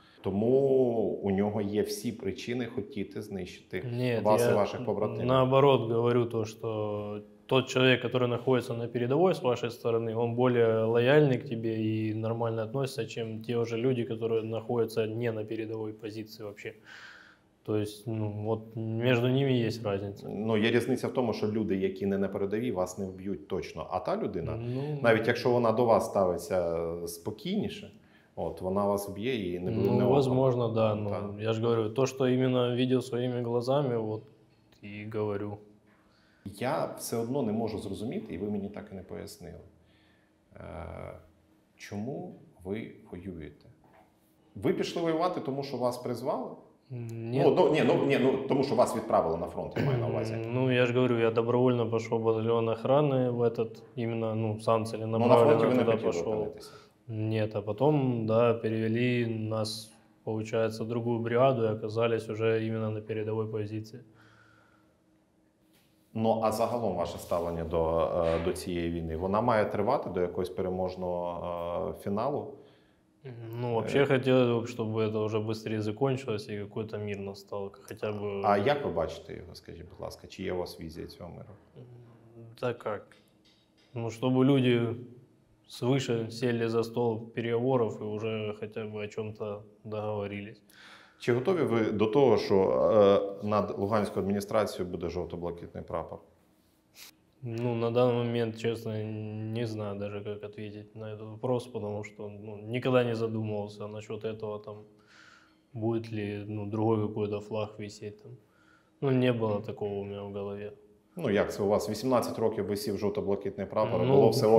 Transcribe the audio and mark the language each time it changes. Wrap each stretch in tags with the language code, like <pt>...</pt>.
<uk>Тому у нього є всі причини хотіти знищити вас і ваших побратимів. Наоборот, говорю то, що той чоловік, який знаходиться на передовій з вашої сторони, він більш лояльний к тобі і нормально відноситься, ніж ті вже люди, які знаходяться не на передовій позиції взагалі.</uk> <ru>То есть, ну, вот между ними есть разница.</ru> <uk>Ну, є різниця в тому, що люди, які не на передовій, вас не вб'ють точно. А та людина, ну, навіть якщо вона до вас ставиться спокійніше, от, вона вас вб'є і не буде.</uk> <ru>Ну, возможно, да.</ru> <uk>Ну, я ж говорю, то, що іменно видів своїми глазами, от, і говорю. Я все одно не можу зрозуміти, і ви мені так і не пояснили, чому ви воюєте? Ви пішли воювати, тому що вас призвали? Ні, тому що вас відправили на фронт, я маю на увазі. Ну, я ж говорю, я добровольно пішов в батальйон охорони</uk> <ru>в этот, именно,</ru> <uk>ну, сам целенаправленно туди пішов. Ну, на фронті ви не хотіли виконитися? Ні, а потім, да, перевели нас, виходить, в другу бригаду і оказались вже именно на передовій позиції. Ну, а загалом ваше ставлення до цієї війни, вона має тривати до якогось переможного фіналу?</uk> <ru>Ну, вообще хотелось бы, чтобы это уже быстрее закончилось и какой-то мир настал, хотя бы. А как вы бачите его, скажите, пожалуйста,</ru> <uk>чи є у вас</uk> <ru>визия этого мира? Да как? Ну, чтобы люди свыше сели за стол переговоров и уже хотя бы о чем-то договорились. Чи готовы вы до того, что над Луганской администрацией будет жовто-блакитный прапор? Ну, на данный момент, честно, не знаю даже, как ответить на этот вопрос, потому что, ну, никогда не задумывался насчет этого, там, будет ли, ну, другой какой-то флаг висеть, там. Ну, не было такого у меня в голове.</ru> <uk>Ну, як це у вас? 18 років висів жовто-блакитний прапор, ну, було все.</uk>